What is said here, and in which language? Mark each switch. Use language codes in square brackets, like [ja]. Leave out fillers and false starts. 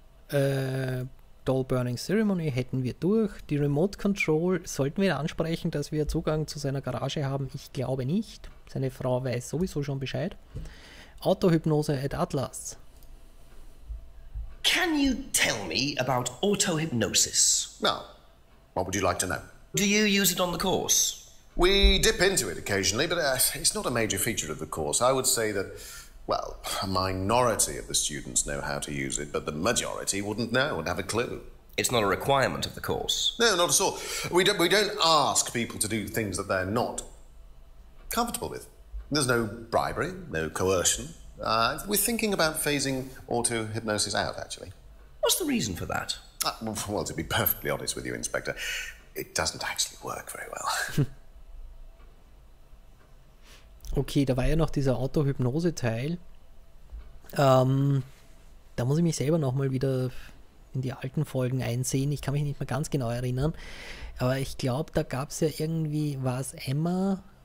[de] Doll Burning Ceremony hätten wir durch. Die Remote Control sollten wir ansprechen, dass wir Zugang zu seiner Garage haben. Ich glaube nicht. Seine Frau weiß sowieso schon Bescheid. Autohypnose at Atlas. [en] Can you tell me about autohypnosis? Now, what would you like to know? Do you use it on the course? We dip into it occasionally, but it's not a major feature of the course. I would say that, well, a minority of the students know how to use it, but the majority wouldn't know, wouldn't have a clue. It's not a requirement of the course. No, not at all. We don't ask people to do things that they're not comfortable with. There's no bribery, no coercion. We're thinking about phasing auto-hypnosis out, actually. What's the reason for that? Well, to be perfectly honest with you, Inspector, it doesn't actually work very well. [de] Okay, da war ja noch dieser Autohypnose-Teil. Da muss ich mich selber nochmal wieder in die alten Folgen einsehen. Ich kann mich nicht mehr ganz genau erinnern. Aber ich glaube, da gab es ja irgendwie, war es Emma?